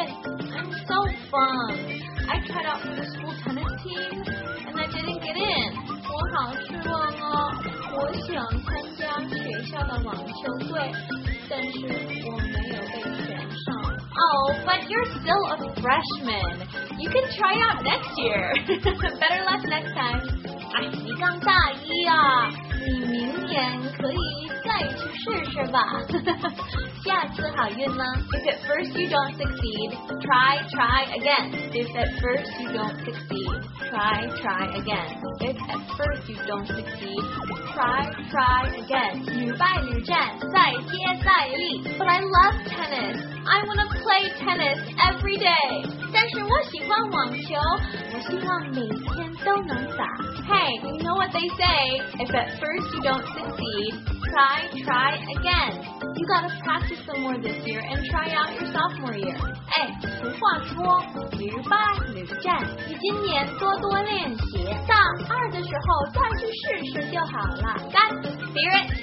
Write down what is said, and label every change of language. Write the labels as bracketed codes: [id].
[en] I'm so fun, I tried out for the school tennis team and I didn't get in. [zh] 我好失望哦，我想参加学校的网球队，但是我没有被选上。 [en] Oh, but you're still a freshman. You can try out next year. Better luck next time. [zh] 哎，你刚大一啊，你明年可以再去试试吧。下次好运啦。 [en] If at first you don't succeed, try again. If at first you don't succeed, try again. If at first you don't succeed, try again. [zh] 屡败屡战，再接再厉。 [en] But I love tennis. I want to play tennis every day. [zh] 但是我喜欢网球，我希望每天都能打。 [en] Hey, you know what they say? If at first you don't succeed,Try again. You gotta practice some more this year and try out your sophomore year. [zh] 哎，俗话说，屡败屡战。你今年多多练习，大二的时候再去试试就好了。